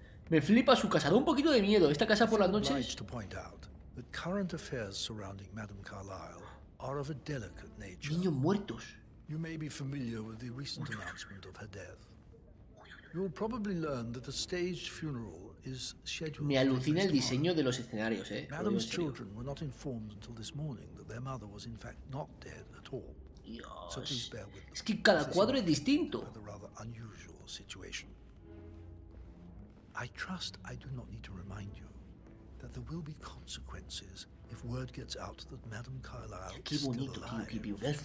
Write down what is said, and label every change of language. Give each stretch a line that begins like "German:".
Spanish: Me flipa su casa. Da un poquito de miedo. Esta casa por las noches... Niños muertos.
English: You may be familiar with the recent announcement of her death. You'll probably learn that the staged funeral is scheduled.
Spanish: Me alucina el diseño de los escenarios, ¿eh?
English: Madame's children were not informed until this morning that their mother was in fact not dead at all. So please bear with them.
Spanish: Es que cada cuadro es distinto.
English: A rather unusual situation. I trust I do not need to remind you that there will be consequences if word gets out that Madame Carlyle is still alive.